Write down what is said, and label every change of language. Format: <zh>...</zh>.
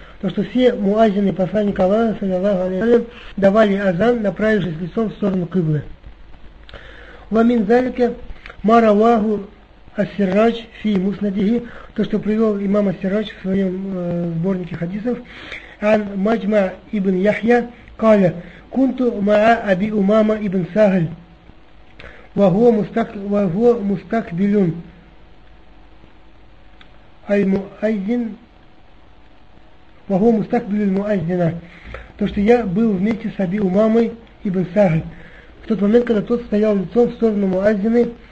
<ru>То, что все муазины посланника Аллаха,</ru> <ar>صَلَّى اللَّهُ عَلَيْهِ وَسَلَّمْ,</ar> <ru>давали азан, направившись лицом в сторону Кыблы.</ru> <ar>وَمِنْ ذَلِكَ مَا رَوَاهُ السراج في مسنده,</ar> <ru>то, что привел имам Ас-Сирадж в своем сборнике хадисов,</ru> <ar>عن مجمع ابن يحيى قال: كنت مع أبي أمامة ابن سهل وهو مستقبل المؤذن وهو مستقبل المؤذن.</ar> <ru>То, что я был вместе с Аби Умамой ибн Сахль в тот момент, когда тот стоял лицом в сторону муаззина.</ru>